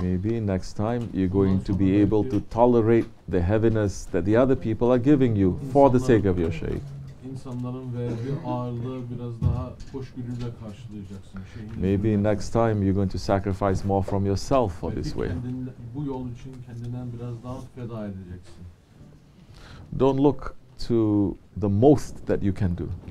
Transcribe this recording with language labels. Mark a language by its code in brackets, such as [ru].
[en] Maybe next time you're going to be able to tolerate the heaviness that the other people are giving you for the sake of your Sheikh. [tr] İnsanların verdiği ağırlığı biraz daha hoşgörüyle karşılayacaksın. [en] Maybe next time you're going to sacrifice more from yourself for this way. [tr] Bu yol için kendinden biraz daha feda edeceksin. [en] Don't look to the most that you can do.